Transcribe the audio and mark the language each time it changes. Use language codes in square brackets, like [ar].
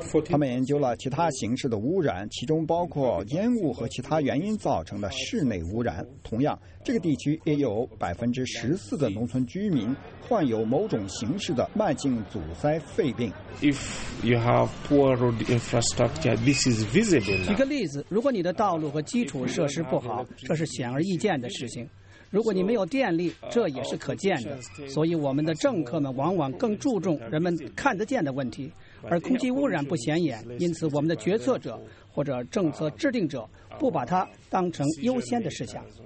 [zh] 他们研究了其他形式的污染，其中包括烟雾和其他原因造成的室内污染。同样，这个地区也有14%的农村居民患有某种形式的慢性阻塞肺病。 [en] If you have poor road infrastructure, this is visible. [zh] 举个例子，如果你的道路和基础设施不好，这是显而易见的事情。如果你没有电力，这也是可见的。所以我们的政客们往往更注重人们看得见的问题，而空气污染不显眼，因此我们的决策者或者政策制定者不把它当成优先的事项。